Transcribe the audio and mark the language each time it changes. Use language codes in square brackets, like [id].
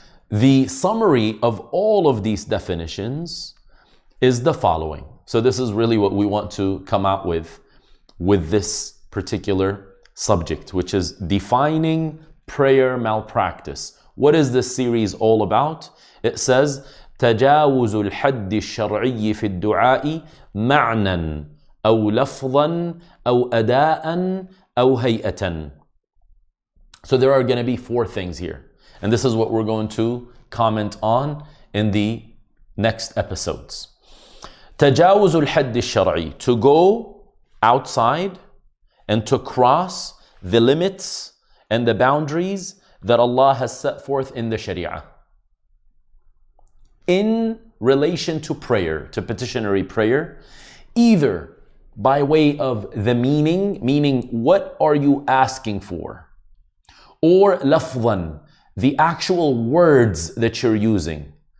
[en] The summary of all of these definitions is the following. So this is really what we want to come out with this particular subject, which is defining prayer malpractice. What is this series all about? It says, [ar] تجاوز الحد الشرعي في الدعاء معنى أو لفظا أو أداء أو هيئة. [en] So there are going to be four things here, and this is what we're going to comment on in the next episodes. [ar] تجاوز الحد الشرعي, [en] to go outside and to cross the limits and the boundaries that Allah has set forth in the Sharia in relation to prayer, to petitionary prayer, either by way of the meaning what are you asking for, or lafzan, the actual words that you're using.